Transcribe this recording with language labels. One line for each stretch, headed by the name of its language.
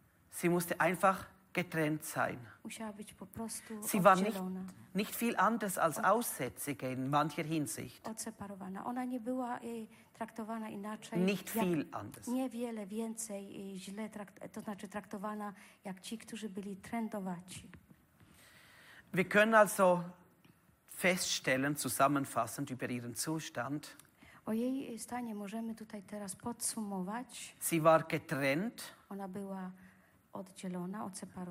German: Sie musste einfach getrennt sein.
Polish: Musiała być po prostu
German: sie
Polish: oddzielona.
German: War nicht viel anders als Aussätzige in mancher Hinsicht.
Polish: Odseparowana. Ona nie była traktowana inaczej.
German: Nicht viel anders.
Polish: Niewiele więcej źle to znaczy traktowana jak ci, którzy byli trędowaci.
German: Wir können also feststellen, zusammenfassend über ihren Zustand.
Polish: O jej stanie możemy tutaj teraz podsumować.
German: Sie war getrennt.
Polish: Ona była oddzielona, odseparowana.